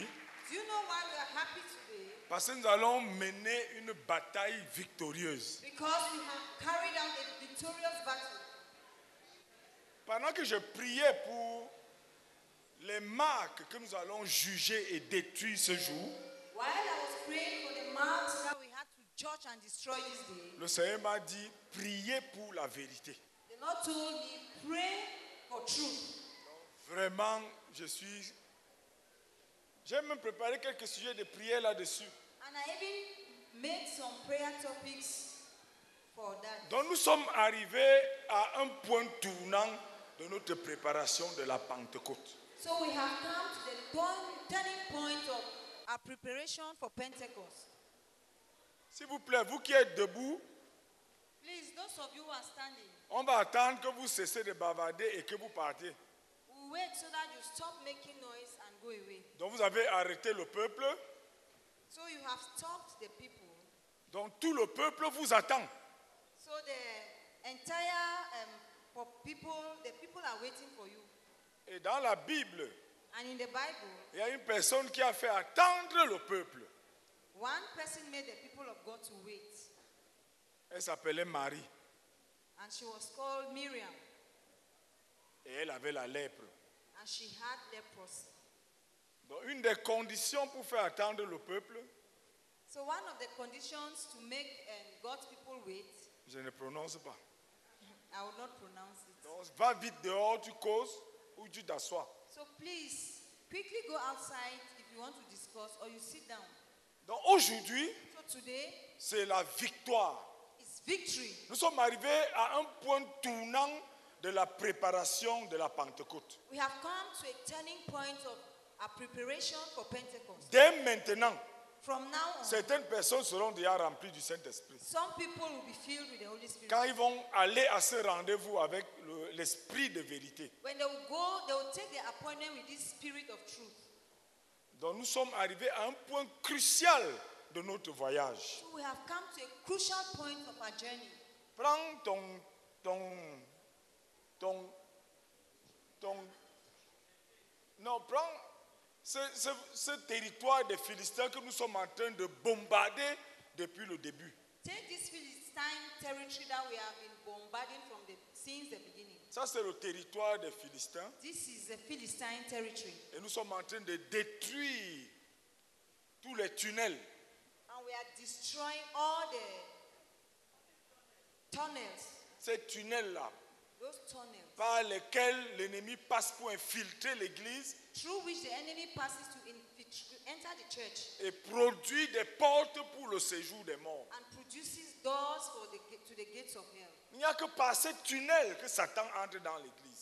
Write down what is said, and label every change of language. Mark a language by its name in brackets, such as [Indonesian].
[English] Do you know why we are happy today? [French] Parce que nous allons mener une bataille victorieuse. [English] Because we have carried out a victorious battle. [French] Pendant que je priais pour les marques que nous allons juger et détruire ce jour, [English] while I was praying for the marks that we had to judge and destroy this day, [French] le Seigneur m'a dit, priez pour la vérité. [English] The Lord told me, pray for truth. [French] Vraiment, j'ai même préparé quelques sujets de prière là-dessus. [English] And I even made some prayer topics for that. [French] Donc nous sommes arrivés à un point tournant de notre préparation de la Pentecôte. [English] So we have come to the turning point of our preparation for Pentecost. [French] S'il vous plaît, vous qui êtes debout, [English] please, those of you who are standing, [French] on va attendre que vous cessez de bavarder et que vous partiez. [English] We wait so that you stop making noise and go away. [French] Donc vous avez arrêté le peuple. [English] So you have stopped the people. [French] Donc tout le peuple vous attend. [English] So the entire people are waiting for you. [French] Et dans la Bible, [English] and in the Bible, [French] il y a une personne qui a fait attendre le peuple. [English] One person made the people of God to wait. [French] Elle s'appelait Marie. [English] And she was called Miriam. [French] Et elle avait la lèpre. [English] And she had leprosy. [French] Donc une des conditions pour faire attendre le peuple. [English] So one of the conditions to make God's people wait. [French] Je ne prononce pas. [English] I will not pronounce it. [French] Donc va vite dehors, tu causes. Où tu t'assois. [English] So please, quickly go outside if you want to discuss or you sit down. [French] Donc aujourd'hui, [English] so today, [French] c'est la victoire. [English] It's victory. [French] Nous sommes arrivés à un point tournant de la préparation de la Pentecôte. [English] We have come to a turning point of our preparation for Pentecost. [French] Dès maintenant, [English] from now on, [French] certaines personnes seront déjà remplies du Saint-Esprit. [English] Some people will be filled with the Holy Spirit. [French] Quand ils vont aller à ce rendez-vous avec l'Esprit de vérité. [English] When they will go, they will take their appointment with this Spirit of truth. [French] Donc nous sommes arrivés à un point crucial de notre voyage. [English] So we have come to a crucial point of our journey. [French] Prends ce territoire des Philistins que nous sommes en train de bombarder depuis le début. [English] Take this Philistine territory that we have been bombarding from since the beginning. [French] Ça c'est le territoire des Philistins. [English] This is the Philistine territory. [French] Et nous sommes en train de détruire tous les tunnels. [English] And we are destroying all the tunnels. [French] Ces tunnels là. [English] Those tunnels. [French] Par lesquels l'ennemi passe pour infiltrer l'église. [English] Through which the enemy passes to enter the church. [French] Et produit des portes pour le séjour des morts. [English] And produces doors for to the gates of hell. [French] Il n'y a que par ces tunnels que Satan entre dans l'église.